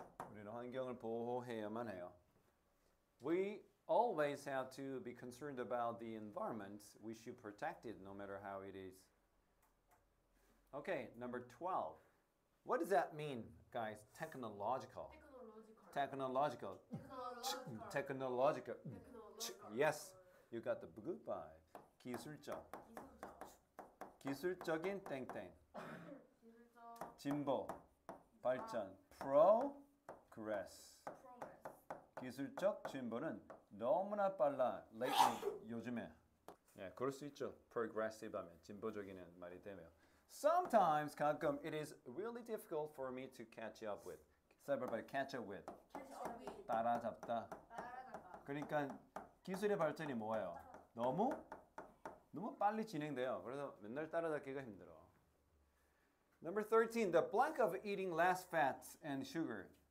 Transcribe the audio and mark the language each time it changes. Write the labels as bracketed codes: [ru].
[ko] 우리는 환경을 보호해야만 해요. [en] We always have to be concerned about the environment. We should protect it no matter how it is. Okay, number 12. What does that mean, guys? Technological. Technological. Technological. Technological. Yes, you got the good vibe. [ko] 기술적. 기술적인 땡땡. 진보. 발전. [en] Progress. [ko] 기술적 진보는 너무나 빨라. Lately, 요즘에. 예, 그럴 수 있죠. Progressive 하면 진보적인 말이 되면. [en] Sometimes, 가끔, it is really difficult for me to catch up with. Catch up with. 따라잡다. [ko] 그러니까 기술의 발전이 뭐예요? 너무 빨리 진행돼요. 그래서 맨날 따라잡기가 힘들어. [en] Number 13, the blank of eating less fats and sugar.